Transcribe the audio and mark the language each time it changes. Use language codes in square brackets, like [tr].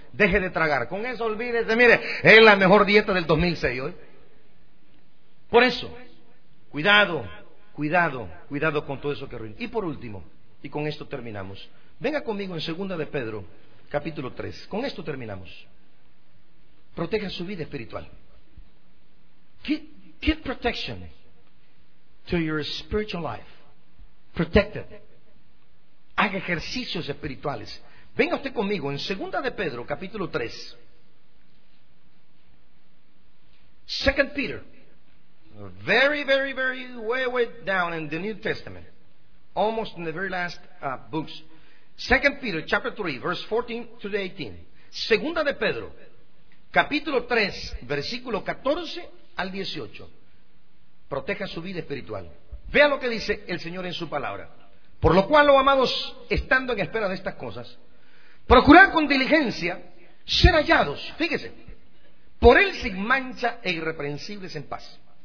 [es] Deje de tragar, con eso olvídese. Mire, es la mejor dieta del 2006 hoy. Por eso, cuidado, cuidado, cuidado con todo eso que ruina. Y por último, y con esto terminamos, venga conmigo en 2 de Pedro, capítulo 3. Con esto terminamos. Proteja su vida espiritual. [en] Give protection to your spiritual life. protected. [es] Haga ejercicios espirituales. Venga usted conmigo en 2 de Pedro, capítulo 3. [en] 2 Peter. Very, very, very way, way down in the New Testament. Almost in the very last books. 2 Peter, chapter 3, verse 14 to 18. [es] 2 de Pedro, capítulo 3, versículo 14 al 18. Proteja su vida espiritual. Vea lo que dice el Señor en su palabra. Por lo cual, oh amados, estando en espera de estas cosas, procurad con diligencia ser hallados, fíjese, por Él sin mancha e irreprensibles en paz.